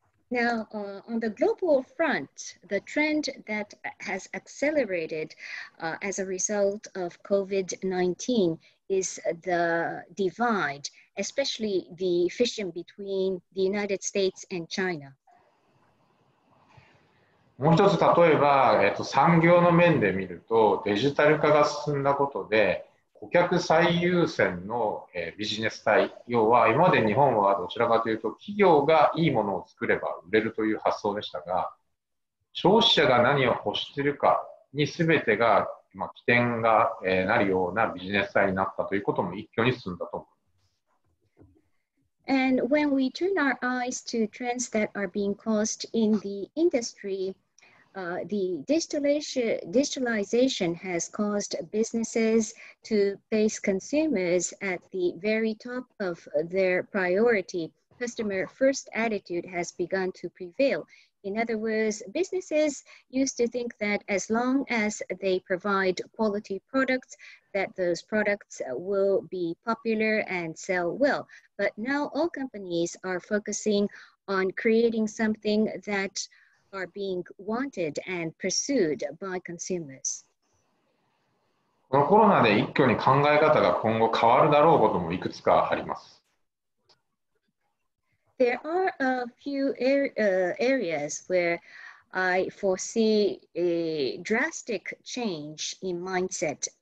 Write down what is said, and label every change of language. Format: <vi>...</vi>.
<en>Now, on the global front, the trend that has accelerated, as a result of COVID-19 is the divide, especially the fission between the United States and China.</en> <ja>もう一つ例えば、産業の面で見るとデジタル化が進んだことで顧客最優先の、ビジネス体要は今まで日本はどちらかというと企業がいいものを作れば売れるという発想でしたが消費者が何を欲しているかに全てが、起点が、なるようなビジネス体になったということも一挙に進んだと思います。</ja> <en>And when we turn our eyes to trends that are being caused in the industry, the digitalization has caused businesses to place consumers at the very top of their priority. Customer first attitude has begun to prevail. In other words, businesses used to think that as long as they provide quality products,that those products will be popular and sell well. But now all companies are focusing on creating something that are being wanted and pursued by consumers.</en> <ja>このコロナで一挙に考え方が今後変わるだろうこともいくつかあります。</ja> <en>There are a few areas where I foresee a drastic change in mindset.</en>